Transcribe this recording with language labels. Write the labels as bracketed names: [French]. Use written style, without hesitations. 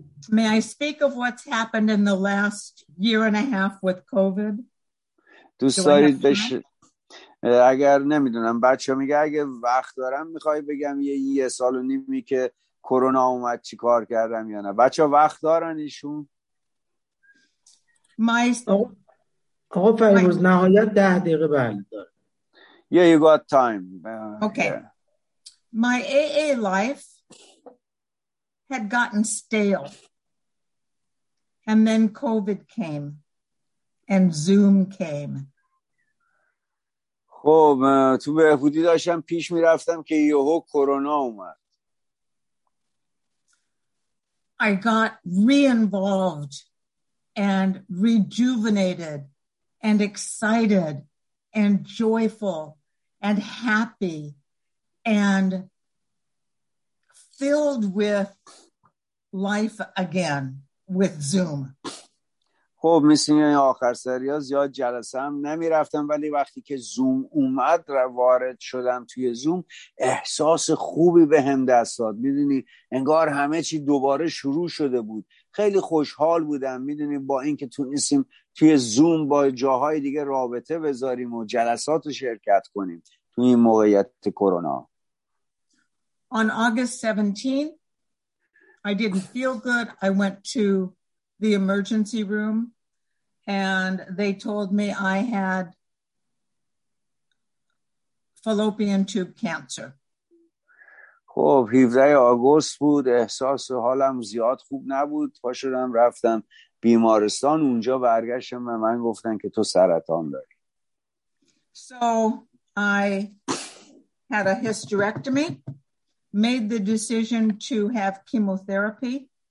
[English] May I speak of what's happened in the last year and a half with COVID? [Persian] دوست دارید اگر نمیدونم بچه میگه اگه وقت دارم میخوای بگم یه سال و نیمی که کرونا اومد چی کار کردم یا نه؟ بچه وقت دارن ایشون؟ آقا فرموز نهایت 10 دقیقه بعد داره. [English] Yeah, you got time. Okay. My AA life had gotten stale. And then COVID came. And Zoom came. [Persian] خب تو بهبودی داشتم پیش می رفتم که یهو کرونا اومد. [English] I got re-involved and rejuvenated and excited and joyful and happy and filled with life again with Zoom. [Persian] خب مثل این آخر سریا زیاد جلسه هم نمی رفتم، ولی وقتی که زوم اومد و وارد شدم توی زوم، احساس خوبی به هم دست داد. می دونی انگار همه چی دوباره شروع شده بود. خیلی خوشحال بودم می دونی با اینکه تونستیم توی زوم با جاهای دیگه رابطه بذاریم و جلسات رو شرکت کنیم توی این موقعیت کرونا. [English] On August 17, I didn't feel good. I went to the emergency room and they told me I had fallopian tube cancer. [Persian] خب 17 آگوست بود، احساس حالم زیاد خوب نبود، پاشدم رفتم بیمارستان، اونجا برگشتم و من گفتن که تو سرطان داری. [English] So I had a hysterectomy, made the decision to have chemotherapy.